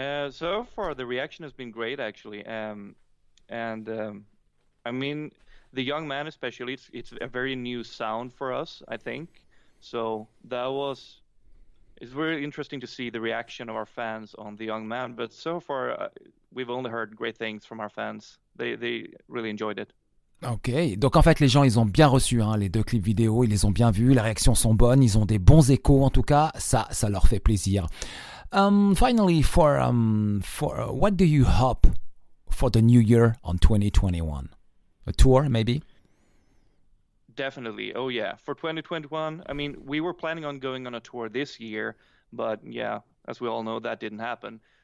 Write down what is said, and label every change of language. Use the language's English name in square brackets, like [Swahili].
[English] So far, the reaction has been great, actually. I mean, The Young Man, especially, it's a very new sound for us, I think. So that was. It's really interesting to see the reaction of our fans on The Young Man, but so far we've only heard great things from our fans. They really enjoyed it. [French] Ok, donc en fait les gens ils ont bien reçu hein, les deux clips vidéo, ils les ont bien vus, les réactions sont bonnes, ils ont des bons échos en tout cas, ça leur fait plaisir. [English] Finally, for what do you hope for the new year on 2021? A tour, maybe? Definitely. Oh, yeah. For 2021, I mean, we were planning on going on a tour this year, but yeah, as we all know, that didn't happen.